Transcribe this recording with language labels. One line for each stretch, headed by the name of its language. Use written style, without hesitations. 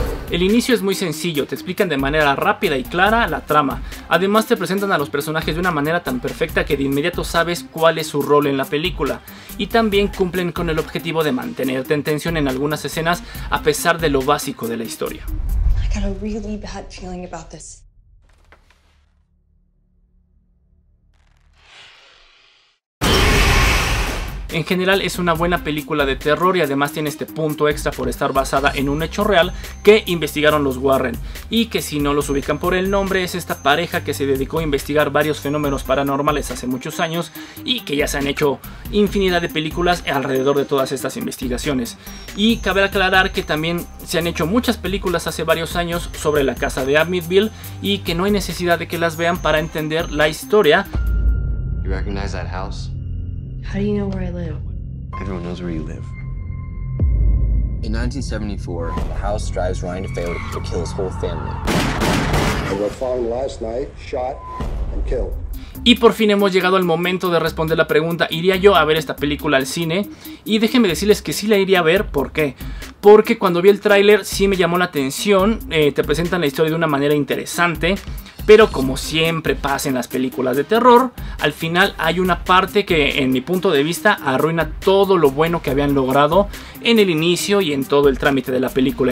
Spanish: El inicio es muy sencillo, te explican de manera rápida y clara la trama. Además te presentan a los personajes de una manera tan perfecta que de inmediato sabes cuál es su rol en la película. Y también cumplen con el objetivo de mantenerte en tensión en algunas escenas a pesar de lo básico de la historia.
English: I got a really bad feeling about this.
Spanish: En general es una buena película de terror y además tiene este punto extra por estar basada en un hecho real que investigaron los Warren y que si no los ubican por el nombre es esta pareja que se dedicó a investigar varios fenómenos paranormales hace muchos años y que ya se han hecho infinidad de películas alrededor de todas estas investigaciones. Y cabe aclarar que también se han hecho muchas películas hace varios años sobre la casa de Amityville y que no hay necesidad de que las vean para entender la historia. ¿Tú reconoces esa casa?
English: How do you know where I live? Everyone knows where you live. In 1974, the house drives Ryan to failure to kill his whole family. They were found last night, shot and killed.
Spanish: Y por fin hemos llegado al momento de responder la pregunta, ¿iría yo a ver esta película al cine? Y déjenme decirles que sí la iría a ver, ¿por qué? Porque cuando vi el tráiler sí me llamó la atención, te presentan la historia de una manera interesante. Pero como siempre pasa en las películas de terror, al final hay una parte que en mi punto de vista arruina todo lo bueno que habían logrado en el inicio y en todo el trámite de la película.